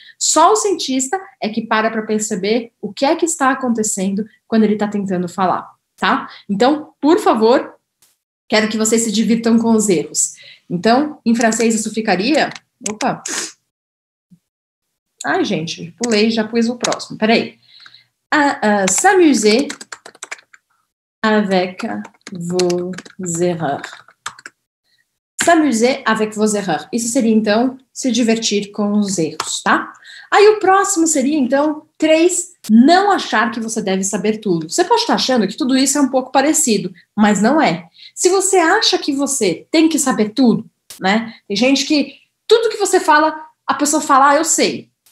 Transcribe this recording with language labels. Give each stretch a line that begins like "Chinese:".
Portuguese: Só o cientista é que para perceber o que é que está acontecendo quando ele está tentando falar, tá? Então, por favor, quero que vocês se divirtam com os erros. Então, em francês isso ficaria... Opa! Ai, gente, pulei, já pus o próximo. Peraí.
French: S'amuser avec vos erreurs. S'amuser avec vos erreurs.
Portuguese: Isso seria, então, se divertir com os erros, tá? Aí o próximo seria, então, três, não achar que você deve saber tudo. Você pode estar achando que tudo isso é um pouco parecido, mas não é. Se você acha que você tem que saber tudo, né? Tem gente que tudo que você fala, a pessoa fala, ah, eu sei.